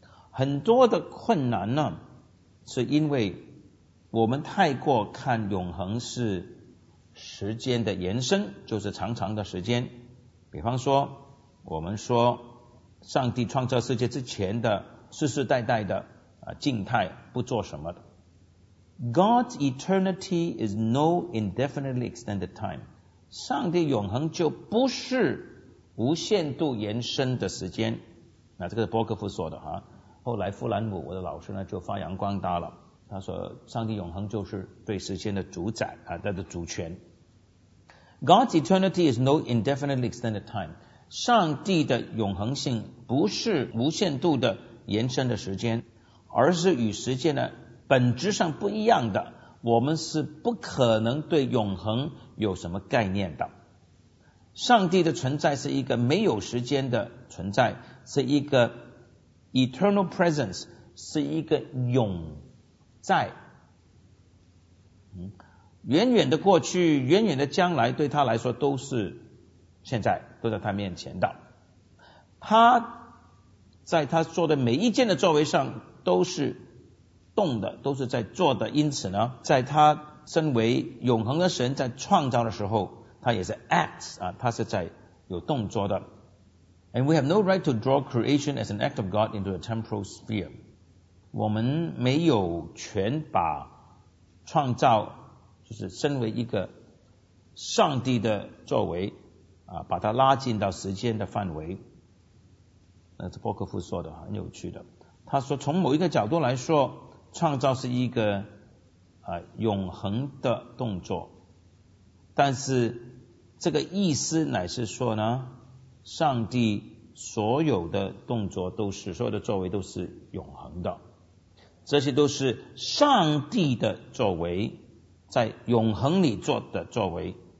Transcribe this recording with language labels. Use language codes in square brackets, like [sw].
[zh] 很多的困难呢，是因为我们太过看永恒是时间的延伸，就是长长的时间。比方说，我们说上帝创造世界之前的世世代代的静态不做什么的。 [en] God's eternity is no indefinitely extended time. [zh] 上帝永恒就不是无限度延伸的时间。那这个是伯克夫说的哈。后来弗兰姆我的老师呢就发扬光大了，他说上帝永恒就是对时间的主宰啊，他的主权。 [en] God's eternity is no indefinitely extended time. [zh] 上帝的永恒性不是无限度的延伸的时间，而是与时间呢本质上不一样的，我们是不可能对永恒有什么概念的。上帝的存在是一个没有时间的存在，是一个 [en] eternal presence， [zh] 是一个永在。远远的过去，远远的将来，对他来说都是现在，都在他面前的。他在他做的每一件的作为上都是动的，都是在做的，因此呢，在他身为永恒的神在创造的时候，他也是 acts 啊，他是在有动作的。 [en] And we have no right to draw creation as an act of God into a temporal sphere. [zh] 我们没有权把创造，就是身为一个上帝的作为啊，把它拉进到时间的范围。那是伯克夫说的，很有趣的。他说，从某一个角度来说，创造是一个永恒的动作，但是这个意思乃是说呢，上帝所有的动作都是，所有的作为都是永恒的，这些都是上帝的作为，在永恒里做的作为。